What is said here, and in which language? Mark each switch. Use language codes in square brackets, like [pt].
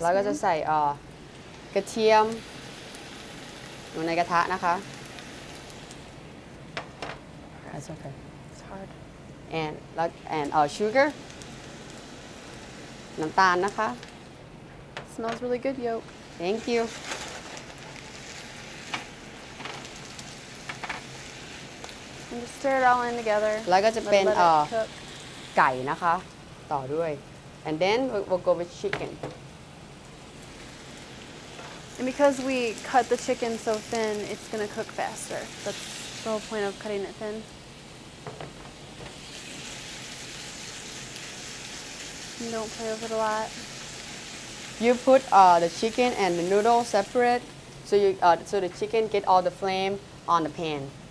[th] แล้วก็จะใส่กระเทียมลงในกระทะนะคะ [en] That's okay It's hard and sugar น้ำตาลนะคะ Smells really good yolk Thank you And just stir it all in together [th] แล้วก็จะเป็นไก่นะคะต่อด้วย [en] and then we'll go with chicken And because we cut the chicken so thin, it's going to cook faster. That's the whole point of cutting it thin. And don't play with it a lot. You put the chicken and the noodle separate, so you so the chicken get all the flame on the pan.